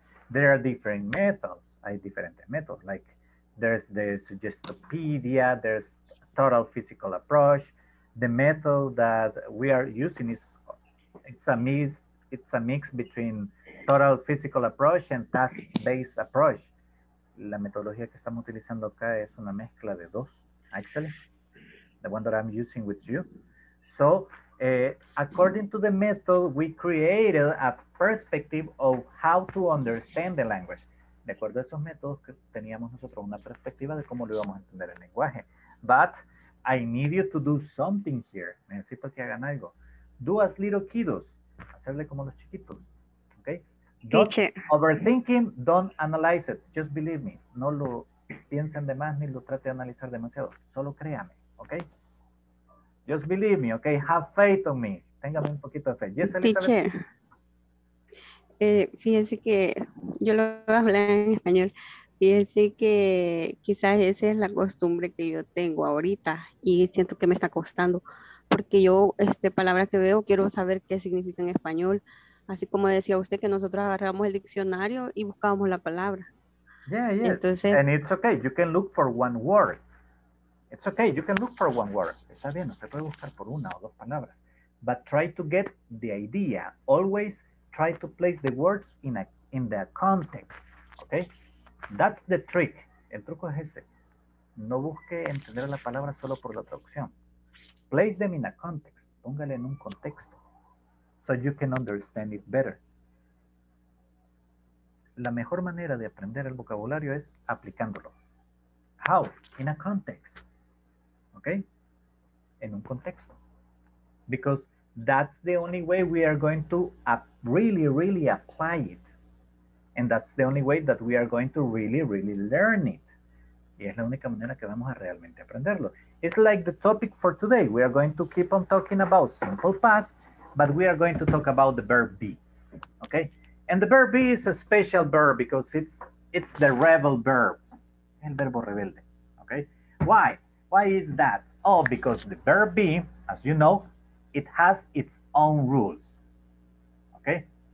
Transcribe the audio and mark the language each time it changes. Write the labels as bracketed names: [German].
[English] There are different methods. [Spanish] Hay diferentes métodos, [English] like there's the suggestopedia, there's total physical approach. The method that we are using is a mix between total physical approach and task-based approach. [Spanish] La metodología que estamos utilizando acá es una mezcla de dos, [English] actually. The one that I'm using with you. So, according to the method, we created a perspective of how to understand the language. [Spanish] De acuerdo a esos métodos, que teníamos nosotros una perspectiva de cómo lo íbamos a entender el lenguaje. [English] But I need you to do something here. [Spanish] Necesito que hagan algo. [English] Do as little kiddos. [Spanish] Hacerle como los chiquitos. Okay? [English] Don't overthinking, don't analyze it. Just believe me. [Spanish] No lo piensen de más ni lo trate de analizar demasiado. Solo créame. Okay? [English] Just believe me. [Spanish] Okay? [English] Have faith on me. [Spanish] Téngame un poquito de fe. [English] Yes, Elizabeth. Teacher. [Spanish] Fíjese que yo lo voy a hablar en español. Fíjense que quizás esa es la costumbre que yo tengo ahorita y siento que me está costando porque yo, palabras que veo, quiero saber qué significa en español. Así como decía usted que nosotros agarramos el diccionario y buscábamos la palabra. [English] Yeah, yeah. Entonces, and it's okay, you can look for one word. It's okay, you can look for one word. [Spanish] Está bien, usted puede buscar por una o dos palabras. [English] But try to get the idea. Always try to place the words in the context, okay? That's the trick. [Spanish] El truco es ese. No busque entender la palabra solo por la traducción. [English] Place them in a context. [Spanish] Póngale en un contexto. [English] So you can understand it better. [Spanish] La mejor manera de aprender el vocabulario es aplicándolo. [English] How? In a context. Okay? [Spanish] En un contexto. [English] Because that's the only way we are going to really, really apply it. And that's the only way that we are going to really, really learn it. [Spanish] Y es la única manera que vamos a realmente aprenderlo. [English] It's like the topic for today. We are going to keep on talking about simple past, but we are going to talk about the verb be. Okay? And the verb be is a special verb because it's the rebel verb. [Spanish] El verbo rebelde. [English] Okay? Why? Why is that? Oh, because the verb be, as you know, it has its own rules. Okay?